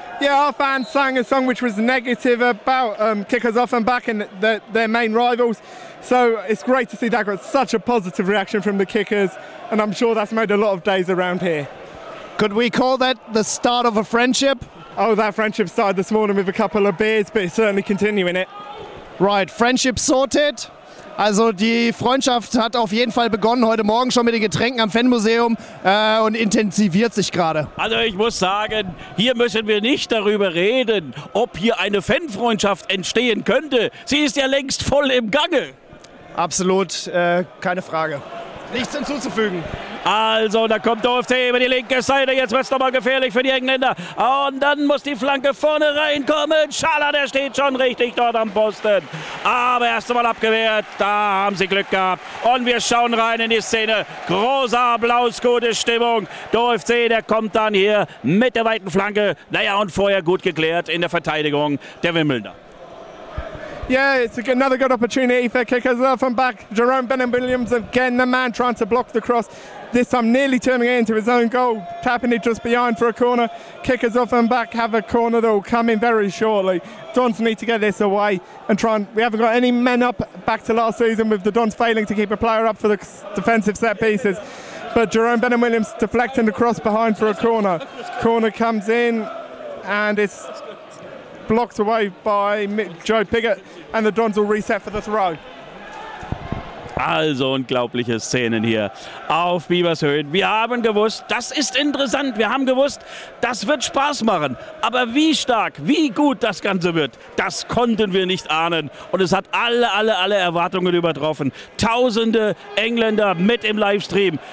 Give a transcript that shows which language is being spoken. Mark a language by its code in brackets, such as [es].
[en] Yeah, our fans sang a song which was negative about Kickers Off and Back and their main rivals. So it's great to see that got such a positive reaction from the Kickers, and I'm sure that's made a lot of days around here. Could we call that the start of a friendship? Oh, that friendship started this morning with a couple of beers, but it's certainly continuing it. Right, friendship sorted. [de] Also die Freundschaft hat auf jeden Fall begonnen heute Morgen schon mit den Getränken am Fanmuseum und intensiviert sich gerade. Also ich muss sagen, hier müssen wir nicht darüber reden, ob hier eine Fanfreundschaft entstehen könnte. Sie ist ja längst voll im Gange. Absolut, keine Frage. Nichts hinzuzufügen. Also, da kommt der OFT über die linke Seite. Jetzt wird es nochmal gefährlich für die Engländer. Und dann muss die Flanke vorne reinkommen. Schala, der steht schon richtig dort am Posten. Aber erst einmal abgewehrt. Da haben sie Glück gehabt. Und wir schauen rein in die Szene. Großer Applaus, gute Stimmung. Der OFT, der kommt dann hier mit der weiten Flanke. Naja, und vorher gut geklärt in der Verteidigung der Wimbledoner. [en] Yeah, it's another good opportunity for Kickers Off and Back. Jerome Benham-Williams again, the man trying to block the cross. This time nearly turning it into his own goal, tapping it just behind for a corner. Kickers Off and Back have a corner that will come in very shortly. Dons need to get this away and try and... We haven't got any men up back to last season with the Dons failing to keep a player up for the defensive set pieces. But Jerome Benham-Williams deflecting the cross behind for a corner. Corner comes in and it's... blocked away by Joe Piggott and the Dons will reset for the throw. [de] Also unglaubliche Szenen hier auf Bibershöhen. Wir haben gewusst, das ist interessant, wir haben gewusst, das wird Spaß machen. Aber wie stark, wie gut das Ganze wird, das konnten wir nicht ahnen. Und es hat alle Erwartungen übertroffen. Tausende Engländer mit im Livestream.